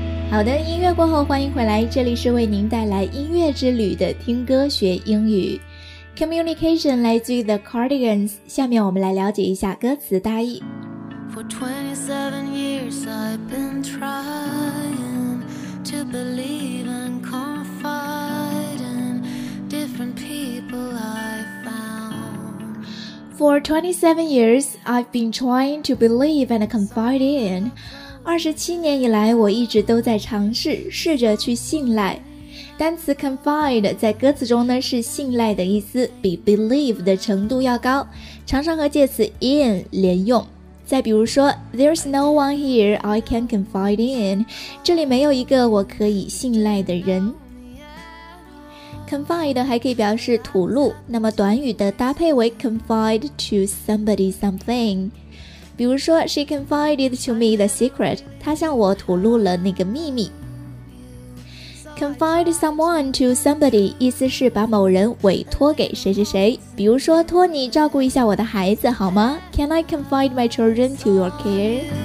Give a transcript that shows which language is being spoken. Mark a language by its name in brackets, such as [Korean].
[Chinese] 好的，音乐过后欢迎回来，这里是为您带来音乐之旅的听歌学英语。 Communication 来自于 The Cardigans， 下面我们来了解一下歌词大意。 [English] For 27 years I've been trying to believe and confide in different people I've found. For 27 years I've been trying to believe and confide in. [Chinese] 27年以来，我一直都在尝试，试着去信赖。单词 confide 在歌词中呢是信赖的意思，比 believe 的程度要高，常常和介词 in 连用。再比如说 [English] There's no one here I can confide in， [Chinese] 这里没有一个我可以信赖的人。 Confide 还可以表示吐露，那么短语的搭配为 confide to somebody something。比如说 [English] She confided to me the secret， [Chinese] 她向我吐露了那个秘密。 Confide someone to somebody 意思是把某人委托给谁谁谁，比如说托你照顾一下我的孩子好吗？ [English] Can I confide my children to your care?